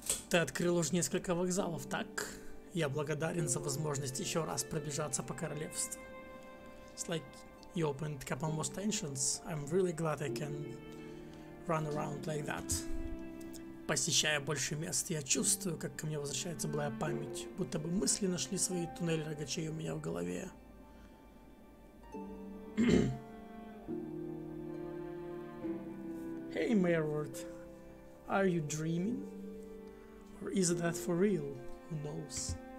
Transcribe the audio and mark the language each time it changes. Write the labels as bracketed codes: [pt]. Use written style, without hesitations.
[ru] Ты открыл уже несколько вокзалов, так? Я благодарен за возможность еще раз пробежаться по королевству. [en] It's like you opened a couple more stations. I'm really glad I can run around like that. [ru] Посещая больше мест, я чувствую, как ко мне возвращается былая память, будто бы мысли нашли свои туннели рогачей у меня в голове. [en] Hey, Mayorward, are you dreaming? Or is that for real? Who knows?